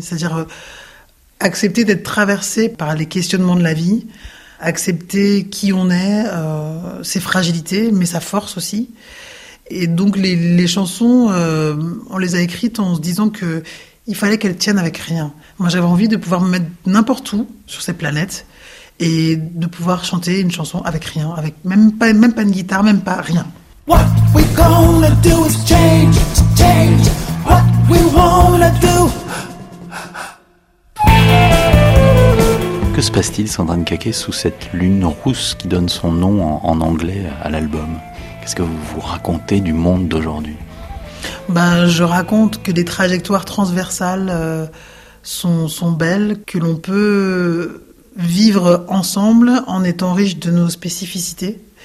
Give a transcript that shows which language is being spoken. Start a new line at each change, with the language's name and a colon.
French: C'est-à-dire accepter d'être traversé par les questionnements de la vie, accepter qui on est, ses fragilités, mais sa force aussi. Et donc les chansons, on les a écrites en se disant qu'il fallait qu'elles tiennent avec rien. Moi, j'avais envie de pouvoir me mettre n'importe où sur cette planète et de pouvoir chanter une chanson avec rien, avec même pas une guitare, même pas rien.
English: What we gonna do is change, change what we wanna do.
French: Que se passe-t-il, Sandrine Caquet, sous cette lune rousse qui donne son nom en anglais à l'album? Qu'est-ce que vous vous racontez du monde d'aujourd'hui? Je raconte que des trajectoires transversales sont belles, que l'on peut vivre ensemble en étant riche de nos spécificités.